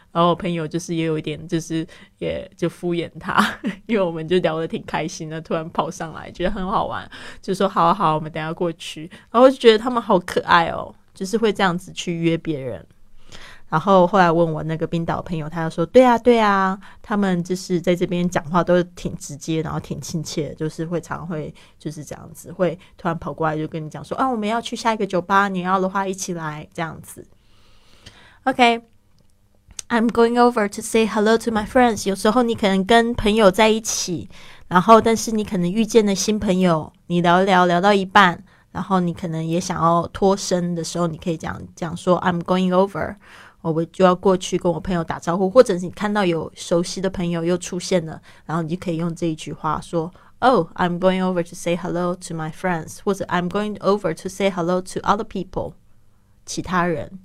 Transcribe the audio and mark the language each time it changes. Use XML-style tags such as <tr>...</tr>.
<zh>然后我朋友就是也有一点就是也就敷衍他，因为我们就聊得挺开心的，突然跑上来觉得很好玩，就说好好，我们等一下过去，然后就觉得他们好可爱哦，就是会这样子去约别人。然后后来问我那个冰岛朋友，他就说对啊对啊，他们就是在这边讲话都挺直接，然后挺亲切，就是会常会就是这样子，会突然跑过来就跟你讲说啊，我们要去下一个酒吧，你要的话一起来这样子。</zh> <en>OK, I'm going over to say hello to my friends.</en> <zh>有时候你可能跟朋友在一起，然后但是你可能遇见了新朋友，你聊一聊聊到一半，然后你可能也想要脱身的时候，你可以讲说</zh> <en>I'm going over，</en> <zh>我就要过去跟我朋友打招呼，或者是你看到有熟悉的朋友又出现了，然后你就可以用这一句话说</zh> <en>Oh, I'm going over to say hello to my friends，</en> <zh>或者</zh> <en>I'm going over to say hello to other people，</en> <zh>其他人。</zh>